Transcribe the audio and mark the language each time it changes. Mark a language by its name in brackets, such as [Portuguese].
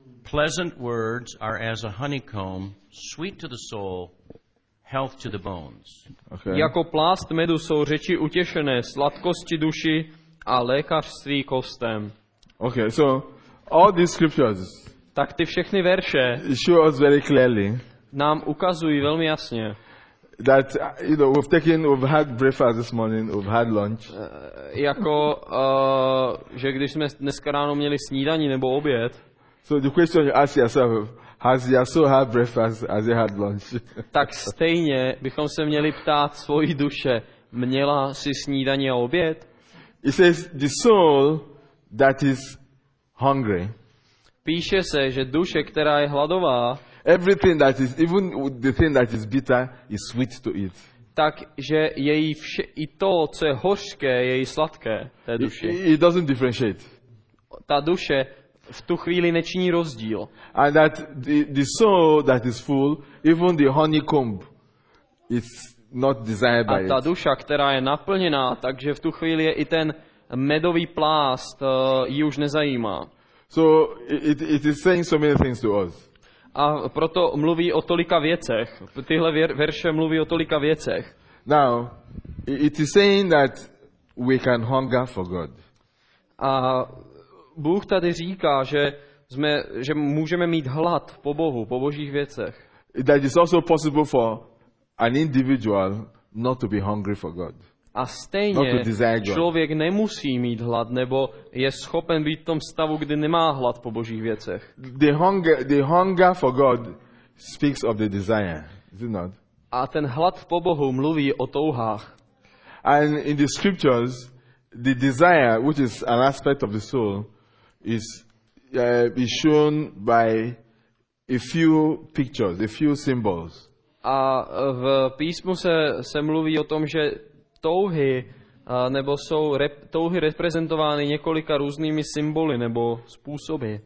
[English] Pleasant words are as a honeycomb, sweet to the soul, health to the bones. Okay. [Czech] Jako plást medu jsou řeči utěšené, sladkosti duši a lékařství kostem. [English] Okay, so all these scriptures. [Czech] Tak ty všechny verše. [English] Show us very clearly. [Czech] Nám ukazují velmi jasně. [English] That you know we've had breakfast this morning, we've had lunch. [Czech] Jako že když jsme dneska ráno měli snídani nebo oběd. [English] So the question you ask yourself, has your soul had breakfast, has it had lunch? [Czech] Tak stejně bychom se měli ptát svoji duše, měla si snídani a oběd? [English] It says the soul that is hungry. [Czech] Píše se, že duše, která je hladová, [English] Everything that is, even the thing that is bitter, is sweet to eat. [Czech] Takže její vše, i to, co je hořké, je jí sladké, té duši. [English] It doesn't differentiate. [Czech] Ta duše v tu chvíli nečiní rozdíl. [English] And that the soul that is full, even the honeycomb, is not desired by it. [Czech] A ta duša, která je naplněná, takže v tu chvíli je i ten medový plást ji už nezajímá. [English] So it is saying so many things to us. [Czech] A proto mluví o tolika věcech. Tyhle verše mluví o tolika věcech. [English] Now, it is saying that we can hunger for God. [Czech] A Bůh tady říká, že můžeme mít hlad po Bohu, po Božích věcech. [English] That is also possible for an individual not to be hungry for God. [Czech] A stejně člověk nemusí mít hlad, nebo je schopen být v tom stavu, kdy nemá hlad po Božích věcech. [English] The hunger for God speaks of the desire, is it not? [Czech] A ten hlad po Bohu mluví o touhách. [English] And in the scriptures, the desire, which is an aspect of the soul, is shown by a few pictures, a few symbols. [Czech] A v písmu se mluví o tom, že touhy nebo jsou touhy reprezentovány několika různými symboly nebo způsoby.